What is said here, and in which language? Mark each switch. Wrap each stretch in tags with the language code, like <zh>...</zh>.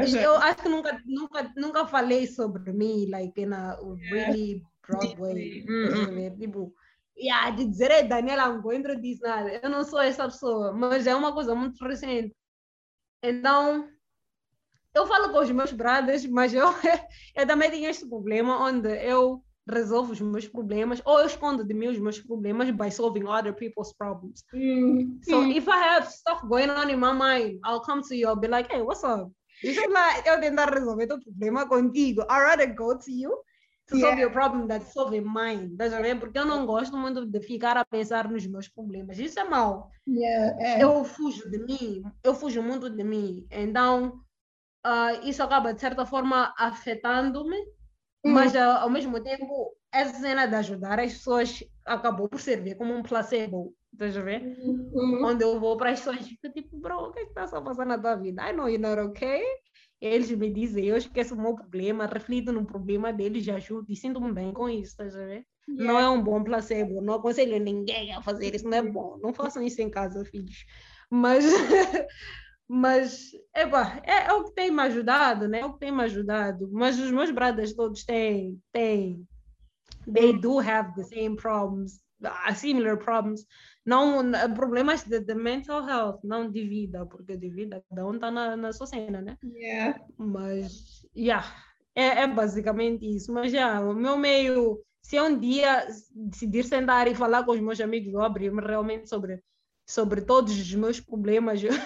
<pt>Eu acho que nunca falei sobre mim, like,</pt> <en>in a really broad way,</en> <pt>tipo, de dizer, Daniela, não vou introduzir nada, eu não sou essa pessoa, mas é uma coisa muito recente, então, eu falo com os meus brothers, mas eu também tenho esse problema onde eu resolvo os meus problemas ou eu escondo de mim os meus problemas</pt> <en>by solving other people's problems. So if I have stuff going on in my mind, I'll come to you, I'll be like, hey, what's up?</en> <pt>Deixa eu lá, eu tentar resolver teu problema contigo.</pt> <en>I'd rather go to you to solve your problem than solve mine.</en> <pt>Tá sabendo? Porque eu não gosto muito de ficar a pensar nos meus problemas. Isso é mal.</pt> <en>Yeah.</en> <pt>Eu fujo de mim. Eu fujo muito de mim. Então... isso acaba, de certa forma, afetando-me, mas ao mesmo tempo, essa cena de ajudar as pessoas acabou por servir como um placebo, deixa eu ver, onde eu vou para as pessoas e fico tipo, bro, o que é que está a passar na tua vida?</pt> <en>I know you're not okay.</en> <pt>Eles me dizem, eu esqueço o meu problema, reflito no problema deles, ajudo e sinto-me bem com isso, deixa eu ver. Não é um bom placebo, não aconselho ninguém a fazer isso, não é bom, não façam isso em casa, filhos. Mas é o que tem me ajudado, né? Mas os meus brothers todos têm.</pt> <en>They do have the same problems, similar problems.</en> <pt>Não, problemas de mental health, não de vida, porque de vida cada um está na sua cena, né?</pt> <en>Yeah.</en> <pt>Mas, é basicamente isso. Mas, o meu meio, se um dia decidir sentar e falar com os meus amigos, vou abrir-me realmente sobre todos os meus problemas.</pt>